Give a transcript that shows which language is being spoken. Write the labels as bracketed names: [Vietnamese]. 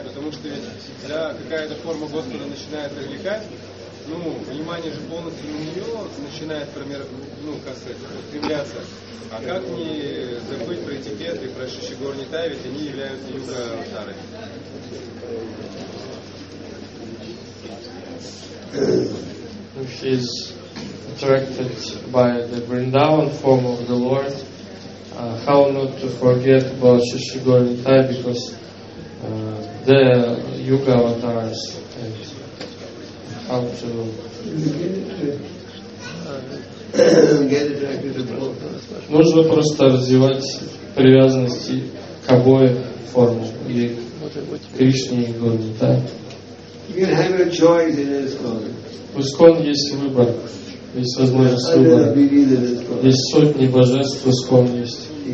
[Russian] Потому что ведь, когда какая-то форма Господа начинает привлекать, ну, внимание же полностью на нее начинает, например, ну, как сказать, устремляться. А как не забыть про этикеты, про Шри-Горни Тай, ведь они являются юга-аватарой? [English] Attracted by the Vrindavan form of the Lord, how not to forget about Shri Gaura Nitai, because the yuga avatars, and how to get attracted to both. [Russian] Можно просто развивать привязанности к обоим формам, и к Кришне, и Гаура Нитай. [English] You can have a choice in ISKCON. [Russian] В ISKCON есть выбор. Есть возможность выбора. Есть сотни божеств, ИСКОН есть.